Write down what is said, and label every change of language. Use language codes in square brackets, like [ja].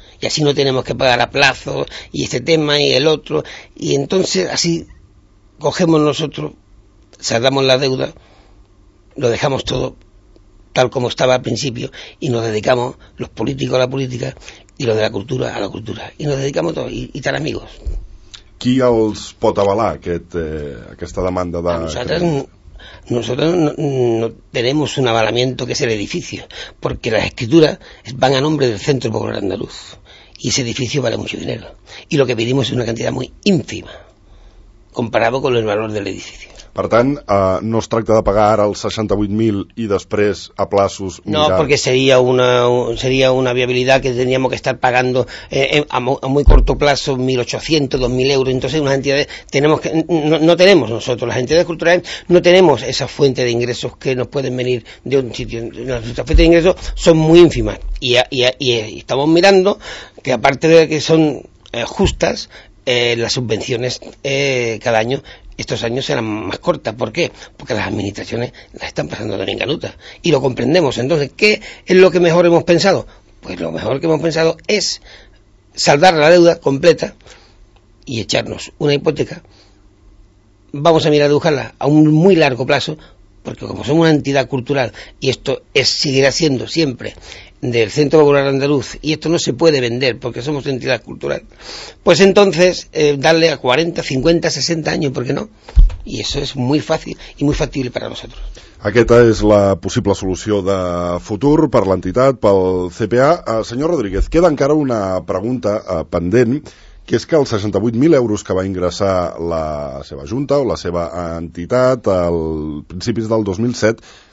[es] Y así no tenemos que pagar a plazo y este tema y el otro. Y entonces así cogemos nosotros, saldamos la deuda, lo dejamos todo tal como estaba al principio y nos dedicamos, los políticos a la política y los de la cultura a la cultura. Y nos dedicamos todos y tan amigos. [ca] Qui els pot avalar aquesta demanda de... [es] Nosotros no tenemos un avalamiento que es el edificio, porque las escrituras van a nombre del Centro Popular Andaluz y ese edificio vale mucho dinero y lo que pedimos es una cantidad muy ínfima comparado con el valor del edificio. [ca] Per tant, no es tracta de pagar ara els 68.000 i després a plaços... [es] No, [ca] perquè seria una viabilitat [es] que teníamos que estar pagando a muy corto plazo 1.800, 2.000 euros. Entonces, unas entidades no tenemos nosotros, las entidades culturales, no tenemos esa fuente de ingresos que nos pueden venir de un sitio. Nuestras fuentes de ingresos son muy ínfimas y estamos mirando que aparte de que son justas, las subvenciones cada año... Estos años serán más cortas. ¿Por qué? Porque las administraciones las están pasando tan en canuta. Y lo comprendemos. Entonces, ¿qué es lo que mejor hemos pensado? Pues lo mejor que hemos pensado es saldar la deuda completa y echarnos una hipoteca. Vamos a mirar a buscarla a un muy largo plazo, porque como somos una entidad cultural y esto seguirá siendo siempre del Centro Popular Andaluz y esto no se puede vender porque somos entidad cultural, pues entonces darle a 40, 50, 60 años, ¿por qué no? Y eso es muy fácil y muy factible para nosotros. [ca] Aquesta és la possible solució de futur per l'entitat, pel CPA. Senyor Rodríguez, queda encara una pregunta pendent, que és que els 68.000 euros que va ingressar la seva junta o la seva entitat al principis del 2007...